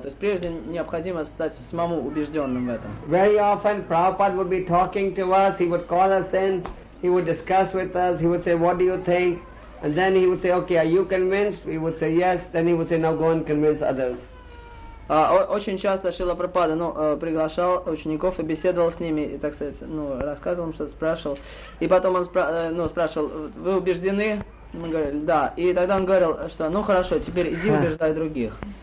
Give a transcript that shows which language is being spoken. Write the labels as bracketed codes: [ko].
[ru] То есть прежде необходимо стать самому убежденным в этом. [en] Very often Prabhupada would be talking to us, he would call us in, he would discuss with us, he would say, what do you think? And then he would say, okay, are you convinced? We would say, yes. Then he would say, now go and convince others. [ru] Очень часто Шрила Прабхупада приглашал учеников и беседовал с ними, и, рассказывал им что-то, спрашивал. И потом он спрашивал, вы убеждены? Мы говорили, да. И тогда он говорил, что хорошо, теперь иди убеждай других.